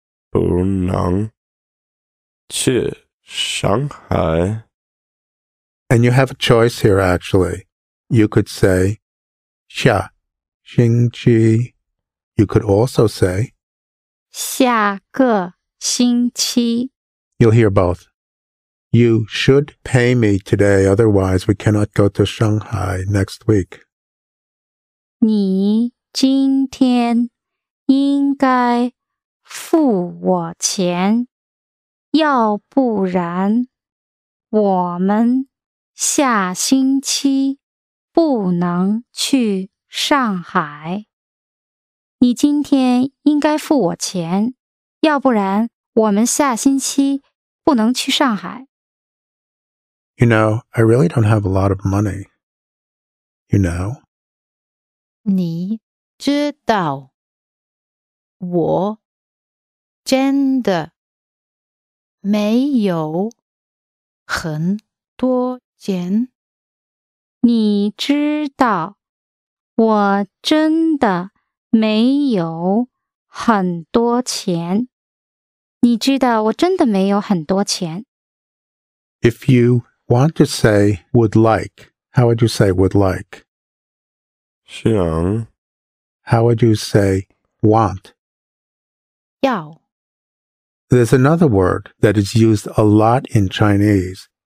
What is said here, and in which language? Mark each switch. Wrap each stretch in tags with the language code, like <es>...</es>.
<zh>不能去 Shanghai.</zh> <en>And you have a choice here, actually. You could say</en> <zh>下星期</zh> <en>You could also say</en> <zh>下个星期</zh> <en>You'll hear both. You should pay me today, otherwise we cannot go to Shanghai next week.</en> <zh>你今天应该付我钱，要不然我们下星期不能去上海。你今天应该付我钱，要不然我们下星期不能去上海。</zh> <en>You know, I really don't have a lot of money. You know?</en> <zh>你知道我真的没有很多钱。你知道我真的没有很多钱。你知道我真的没有很多钱。</zh> <en>If you want to say would like, how would you say would like?</en> <zh>想</zh> <en>How would you say want?</en> <zh>要</zh> <en>There's another word that is used a lot in Chinese.</en>